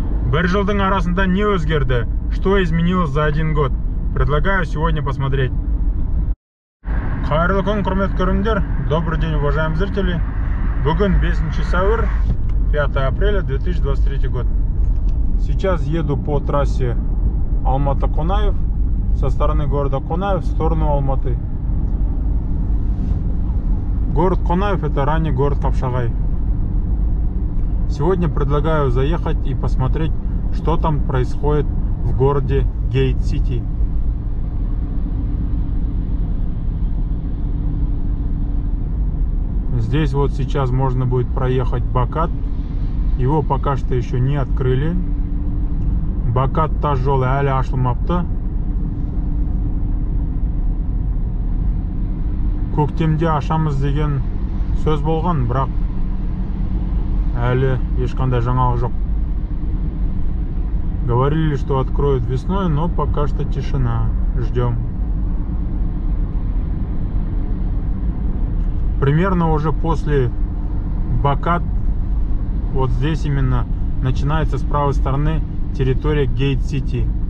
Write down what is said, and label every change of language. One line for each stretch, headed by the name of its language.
Kazakh: Бір жылдың арасында не өзгерді?
Russian: Что изменилось за один год? Предлагаю сегодня посмотреть.
Kazakh: Қайырлы күн, құрметті көрермендер.
Russian: Добрый день, уважаемые зрители.
Kazakh: Бүгін 5 сәуір,
Russian: 5 апреля 2023 год. Сейчас еду по трассе Алматы-Қонаев со стороны города Қонаев в сторону Алматы. Город Қонаев – это ранний город Қапшағай. Сегодня предлагаю заехать и посмотреть, что там происходит в городе Гейт-Сити. Здесь вот сейчас можно будет проехать Бакат. Его пока что еще не открыли.
Kazakh: Бакат
Russian: тяжелый,
Kazakh: али ашылмапты. Көктемде ашамыз деген сөз болған, бірақ әлі ешқандай жаңалық жоқ.
Russian: Говорили, что откроют весной, но пока что тишина. Ждем. Примерно уже после Бакат, вот здесь именно, начинается с правой стороны территория Гейт-Сити.